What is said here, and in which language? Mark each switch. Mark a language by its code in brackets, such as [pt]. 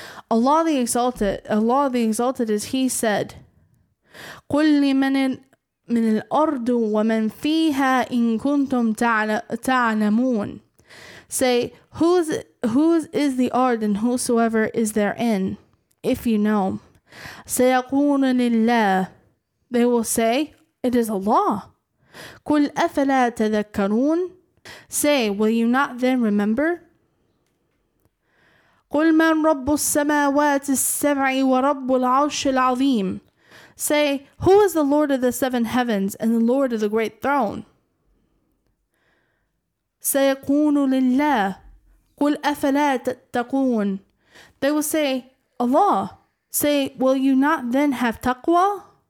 [ar] Allah the Exalted as he said, قُلْ لِمَنِ مِنِ الْأَرْضُ وَمَنْ فِيهَا إِن كُنْتُمْ تَعْلَمُونَ [en] Say, whose is the ard and whosoever is therein? if you know. [ar] سيقول لله. [en] They will say, it is Allah. [ar] قل أفلا تذكرون. [en] Say, will you not then remember? [ar] قل من رب السماوات السبع ورب العرش العظيم. [en] Say, who is the Lord of the seven heavens and the Lord of the great throne? [ar] سيقول لله. قل أفلا تتقون. [en] They will say, Allah. Say, will you not then have taqwa?